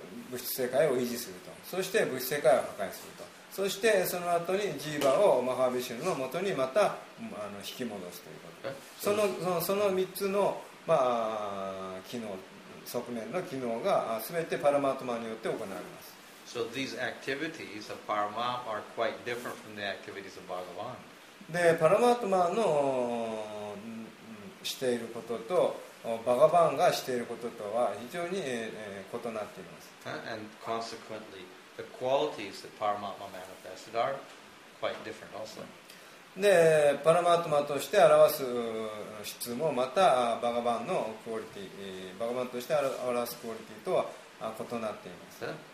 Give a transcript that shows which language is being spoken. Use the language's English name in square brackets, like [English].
[Japanese] 物質世界を維持すると、そして物質世界を破壊すると、そしてその後にジーバをマハビシュの元にまた引き戻すということ、その3つの、まあ、機能、側面の機能が全てパラマートマによって行われます。 [English] So these activities of Parama are quite different from the activities of Bhagavan. [Japanese] でパラマートマのしていることとバガバンがしていることとは非常に、異なっています。 [English] And consequently the qualities that Paramatma manifested are quite different also. [Japanese] でパラマートマとして表す質もまたバガバンのクオリティ、バガバンとして表すクオリティとは異なっています。